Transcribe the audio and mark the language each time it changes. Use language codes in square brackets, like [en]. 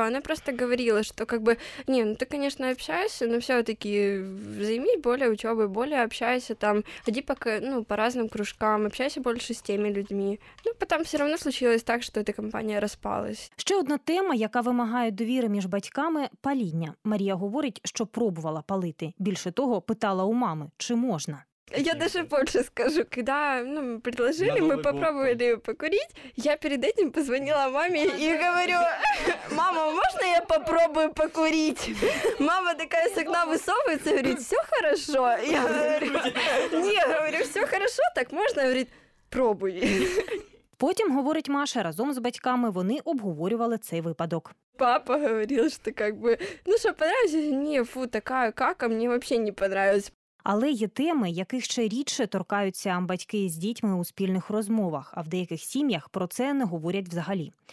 [uk] Вона просто говорила, що ні, ну ти, звісно, общаєшся, але все-таки займись більше учебою, більше общайся там, ходи поки, ну, по різним кружкам, общайся більше з тими людьми. Ну, потім все одно случилось так, що ця компанія розпалась. Ще одна тема, яка вимагає довіри між батьками – паління. Марія говорить, що пробувала палити. Більше того, питала у мами, чи можна. [ru] Я даже больше скажу, когда ну, предложили, мы попробовали покурить, я перед этим позвонила маме и говорю, мама, можно я попробую покурить? Мама такая с окна высовывается, говорит, все хорошо. Я говорю, все хорошо, так можно? Говорит, пробуй. [uk] Потім, говорить Маша, разом з батьками вони обговорювали цей випадок. Папа говорив, що що подобається? Ні, фу, така кака, мені взагалі не подобається. Але є теми, яких ще рідше торкаються батьки з дітьми у спільних розмовах, а в деяких сім'ях про це не говорять взагалі.